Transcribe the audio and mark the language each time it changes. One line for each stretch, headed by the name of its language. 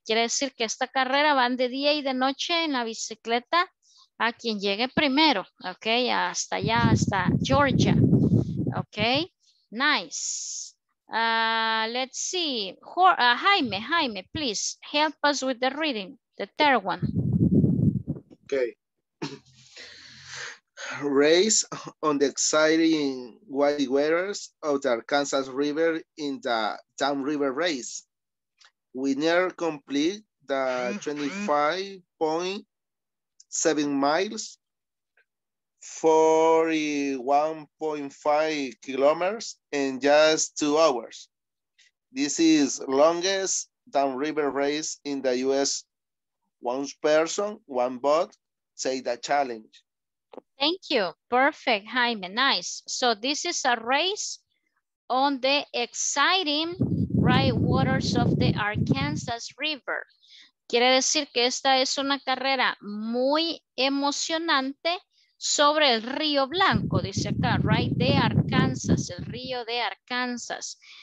Spanish: Quiere decir que esta carrera van de día y de noche en la bicicleta a quien llegue primero, ok, hasta allá, hasta Georgia, ok, nice.
English: Let's see, Jaime, please help us with the reading, the third one. Okay. Race on the exciting white waters of the Arkansas River in the Dam River Race. Winner complete the 25.7 miles, 41.5 kilometers in just 2 hours. This is longest Dam River Race in the US. One person, one boat, say the challenge. Thank you. Perfect, Jaime. Nice. So this is a race on the exciting bright waters of the Arkansas River.
Spanish: Quiere decir que esta es una carrera muy emocionante sobre el río Blanco, dice acá, right, de Arkansas, el río de Arkansas.